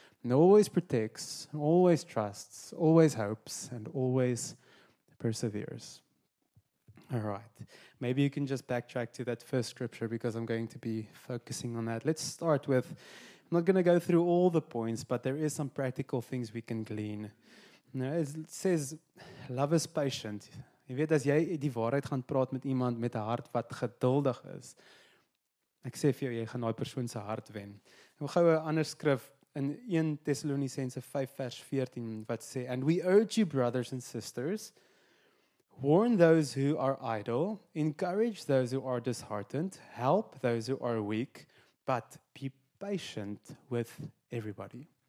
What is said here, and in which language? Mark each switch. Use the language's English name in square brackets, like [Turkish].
[English] And always protects, always trusts, always hopes, and always perseveres. All right. Maybe you can just backtrack to that first scripture because I'm going to be focusing on that. Let's start with, I'm not going to go through all the points, but there is some practical things we can glean. Now, it says, love is patient. [Afrikaans] Jy weet, as jy die waarheid gaan praat met iemand met 'n hart wat geduldig is, ek sê vir jou, jy gaan daai persoon se hart wen. Nou gou 'n ander skrif, in 1 Thessalonians 5 vers 14, wat sê, [English] and we urge you, brothers and sisters, warn those who are idle, encourage those who are disheartened, help those who are weak, but be patient with everybody.